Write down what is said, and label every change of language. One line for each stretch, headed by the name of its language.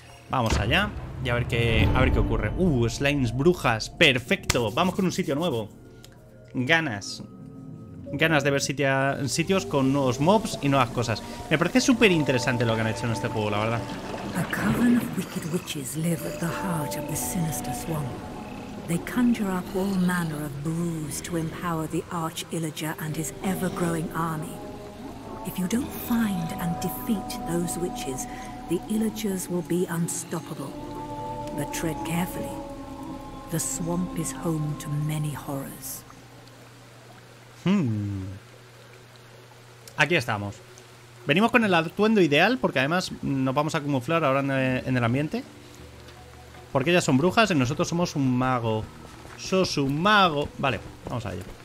Spanish: Vamos allá y a ver qué ocurre. Slimes, brujas, perfecto. Vamos con un sitio nuevo. Ganas de ver sitios con nuevos mobs y nuevas cosas. Me parece súper interesante lo que han hecho en este juego, la verdad.
English: A coven of wicked witches live at the heart of the sinister swamp. They conjure up all manner of brews to empower the arch illager and his ever-growing army. If you don't find and defeat those witches, the illagers will be unstoppable. But tread carefully. The swamp is home to many horrors.
Spanish: Aquí estamos. Venimos con el atuendo ideal, porque además nos vamos a camuflar ahora en el ambiente. Porque ellas son brujas y nosotros somos un mago. Sos un mago. Vale, vamos a ello.